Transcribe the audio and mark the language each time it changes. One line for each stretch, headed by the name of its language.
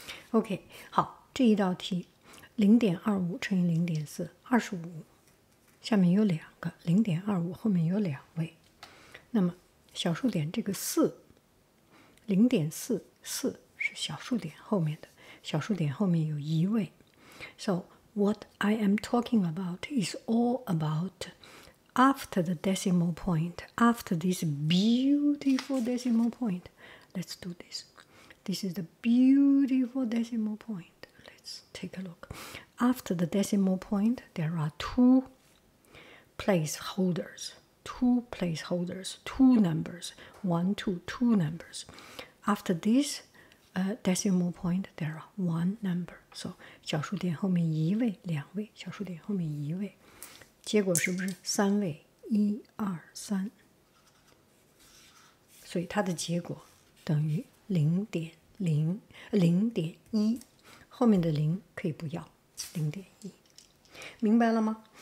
Chinese: Okay, 好，这一道题，零点二五乘以零点四，二十五，下面有两个，零点二五后面有两位，那么小数点这个四，零点四，四是小数点后面的，小数点后面有一位。
English: So what I am talking about is all about. After the decimal point, after this beautiful decimal point, let's do this. This is the beautiful decimal point. Let's take a look. After the decimal point, there are two placeholders, two numbers, one, two, two numbers. After this, decimal point, there are one number.
Chinese: So, 小数点后面一位，两位，小数点后面一位。结果是不是三位？一二三，所以它的结果等于零点零零点一，后面的零可以不要，零点一，明白了吗？